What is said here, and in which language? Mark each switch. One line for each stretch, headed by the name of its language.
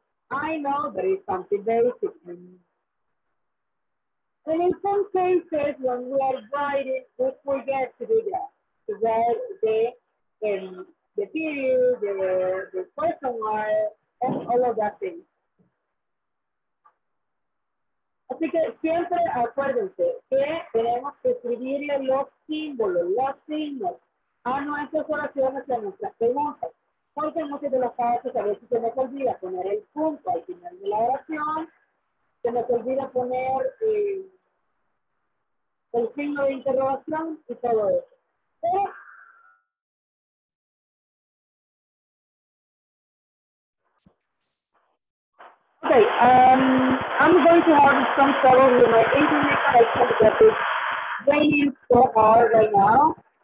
English: I know there is something basic. And in some cases, when we are writing, we forget to do that. To write the period, the question mark, and all of that thing.
Spanish: Así que siempre acuérdense que tenemos que escribirle los símbolos, los signos a nuestras oraciones y a nuestras preguntas. porque en muchos de los casos a veces se nos olvida poner el punto al final de la oración, se nos olvida poner el signo de interrogación y todo eso.
English: Pero okay, I'm going to have some trouble with my internet connection that is raining so hard right now.